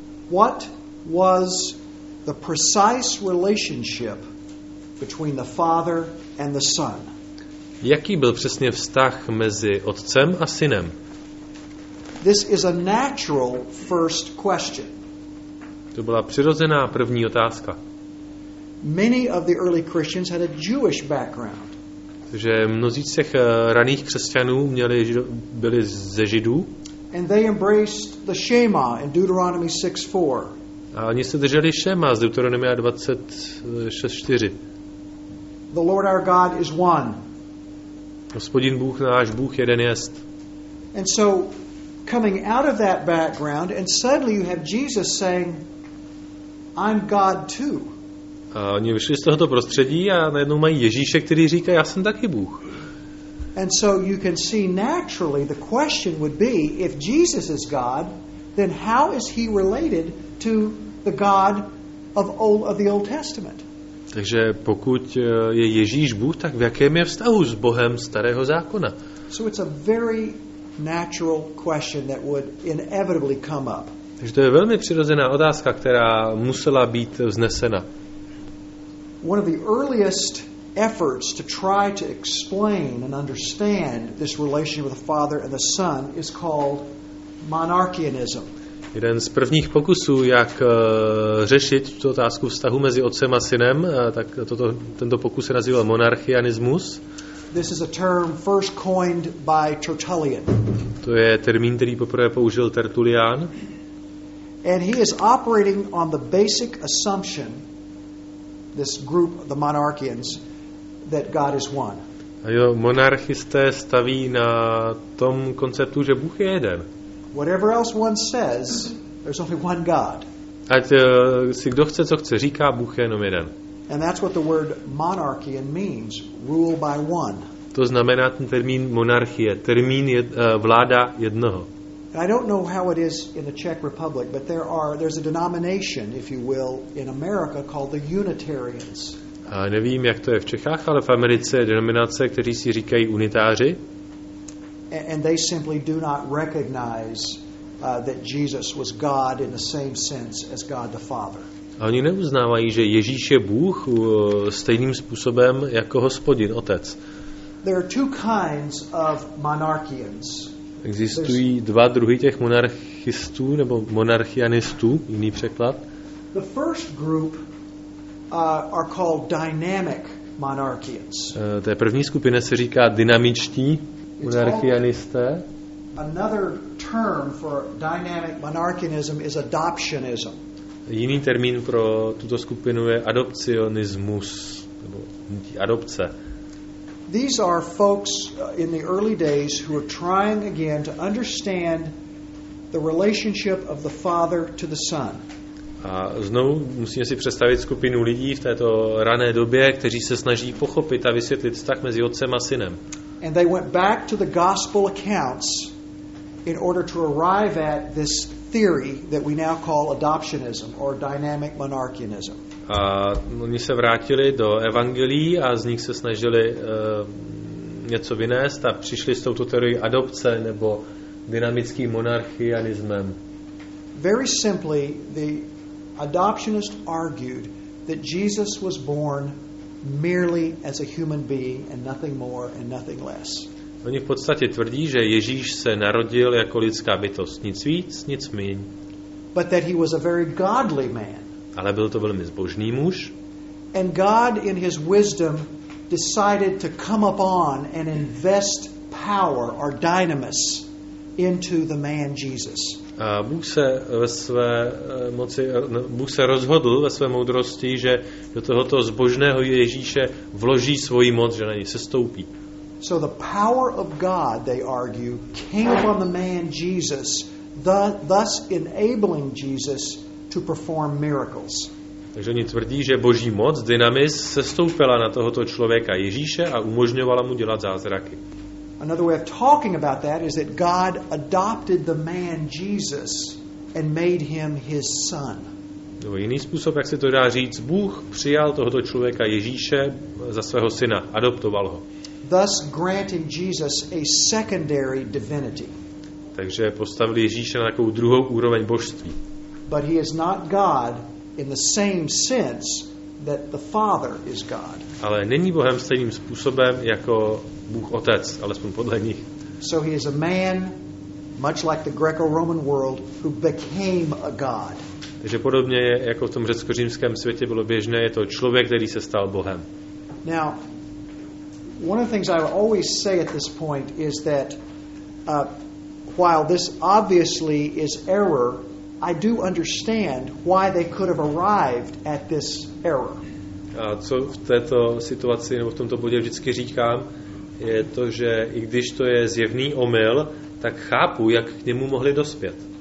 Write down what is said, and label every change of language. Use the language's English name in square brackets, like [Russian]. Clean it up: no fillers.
[English] What was the precise relationship between the Father and the Son? [Czech] Jaký byl přesně vztah mezi Otcem a Synem? [English] This is a natural first question. [Czech] To byla přirozená první otázka. [English] Many of the early Christians had a Jewish background. [Czech] Že mnozí z těch raných křesťanů byli ze Židů. [English] And they embraced the Shema in Deuteronomy 6:4. [Czech] A oni se drželi Shema z Deuteronomia 26:4. [English] The Lord our God is one. [Czech] Hospodin Bůh náš Bůh jeden jest. [English] And so coming out of that background and suddenly you have Jesus saying I'm God too. [Czech] A oni vyšli z tohoto prostředí a najednou mají Ježíše, který říká já jsem taky Bůh. [English] And so you can see naturally the question would be if Jesus is God, then how is he related to the God of the Old Testament? [Czech] Takže pokud je Ježíš Bůh, tak v jakém je vztahu s Bohem starého zákona? [English] So it's a very natural question that would inevitably come up. [Czech] Takže to je velmi přirozená otázka, která musela být vznesena. [English] One of the earliest efforts to try to explain and understand this relationship with the Father and the Son is called monarchianism. [Czech] Jeden z prvních pokusů, jak řešit tu otázku vztahu mezi Otcem a Synem, tak tento pokus se nazýval monarchianismus. [English] This is a term first coined by Tertullian. [Czech] To je termín, který poprvé použil Tertullian. [English] And he is operating on the basic assumption, this group, the monarchians, that God is one. [Czech] A jo, monarchisté staví na tom konceptu, že Bůh je jeden. [English] whatever else one says, there's only one God. [Czech] Ať si kdo chce, co chce, říká, Bůh je jenom jeden. [English] And that's what the word monarchy means, rule by one. [Czech] To znamená ten termín monarchie, termín je, vláda jednoho. [English] And I don't know how it is in the Czech Republic, but there's a denomination, if you will, in America called the Unitarians. [Czech] A nevím, jak to je v Čechách, ale v Americe je denominace, kteří si říkají unitáři. [English] And they simply do not recognize that Jesus was God in the same sense as God the Father. [Czech] A oni neuznávají, že Ježíš je Bůh stejným způsobem jako Hospodin, Otec. [English] There are two kinds of monarchians. [Czech] Existují dva druhy těch monarchistů nebo monarchianistů, jiný překlad. [English] The first group are called dynamic monarchians. [Czech] Té první skupině se říká dynamičtí monarchianisté. [English] Another term for dynamic monarchianism is adoptionism. [Czech] Jiný termín pro tuto skupinu je adopcionismus nebo adopce. [English] These are folks in the early days who are trying again to understand the relationship of the Father to the Son. [Czech] A znovu musíme si představit skupinu lidí v této rané době, kteří se snaží pochopit a vysvětlit vztah mezi Otcem a Synem. [English] And they went back to the gospel accounts in order to arrive at this theory that we now call adoptionism or dynamic monarchianism. [Czech] A oni se vrátili do evangelií a z nich se snažili něco vynést a přišli s touto teorií adopce nebo dynamickým monarchianismem. [English] Very simply, the adoptionist argued that Jesus was born merely as a human being and nothing more and nothing less. [Czech] Oni v podstatě tvrdí, že Ježíš se narodil jako lidská bytost, nic víc, nic míň. [English] But that he was a very godly man. [Czech] Ale byl to velmi zbožný muž. [English] And God in his wisdom decided to come upon and invest power or dynamis into the man Jesus. [Czech] A Bůh se ve své moci, Bůh se rozhodl ve své moudrosti, že do tohoto zbožného Ježíše vloží svoji moc, že na něj sestoupí. [English] So the power of God, they argue, came upon the man Jesus, thus enabling Jesus to perform miracles. [Czech] Takže oni tvrdí, že boží moc, dynamis, sestoupila na tohoto člověka Ježíše a umožňovala mu dělat zázraky. [English] Another way of talking about that is that God adopted the man Jesus and made him his son. [Czech] Nebo jiný způsob, jak se to dá říct, Bůh přijal tohoto člověka Ježíše za svého syna, adoptoval ho. [English] Thus granting Jesus a secondary divinity. [Czech] Takže postavili Ježíše na takovou druhou úroveň božství. [English] But he is not God in the same sense that the Father is God. [Czech] Ale není Bohem stejným způsobem jako Bůh Otec, alespoň podle nich. [English] So he is a man much like the Greco-Roman world who became a god. [Czech] Takže podobně jako v tom řecko-římském světě bylo běžné, je to člověk, který se stal Bohem. [English] Now, one of the things I always say at this point is that while this obviously is error, I do understand why they could have arrived at this error. [Czech] A co v této situaci nebo v tomto bodě vždycky říkám, je to, že i když to je zjevný omyl, tak chápu, jak k němu mohli dospět.